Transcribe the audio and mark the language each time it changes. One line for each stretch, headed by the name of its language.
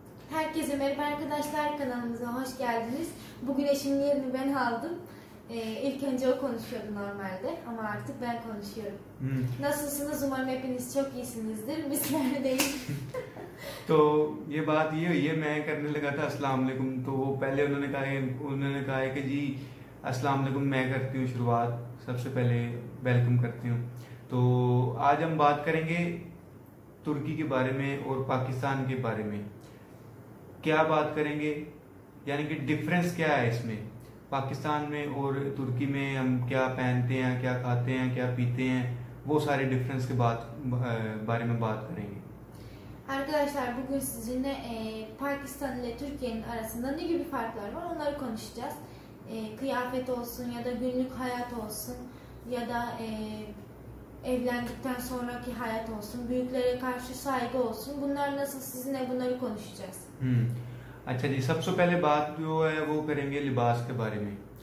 Turkish: Herkese merhaba arkadaşlar, kanalımıza hoş geldiniz. Bugün eşimin yerini ben aldım. İlk önce o konuşuyordu normalde ama artık ben konuşuyorum. Nasılsınız? Umarım hepiniz çok iyisinizdir. Bizler de değil.
Hindi: तो ये बात ये हुई है, मैं करने लगा था अस्सलाम वालेकुम, तो वो पहले उन्होंने कहा है कि जी अस्सलाम वालेकुम, मैं करती हूँ शुरुआत, सबसे पहले वेलकम करती हूँ। तो आज हम बात करेंगे तुर्की के बारे में और पाकिस्तान के बारे में। क्या बात करेंगे, यानी कि डिफरेंस क्या है इसमें, पाकिस्तान में और तुर्की में हम क्या पहनते हैं, क्या खाते हैं, क्या पीते हैं, वो सारे डिफरेंस के बारे में बात करेंगे।
Turkish: Arkadaşlar bugün sizinle Pakistan ile Türkiye'nin arasında ne gibi farklar var onları konuşacağız. Kıyafet olsun ya da günlük hayat olsun ya da evlendikten sonraki hayat olsun, büyüklere karşı saygı olsun. Bunlar nasıl, sizinle bunları konuşacağız.
Hindi: अच्छा जी, सबसे पहले बात जो है वो करेंगे लिबास के बारे में।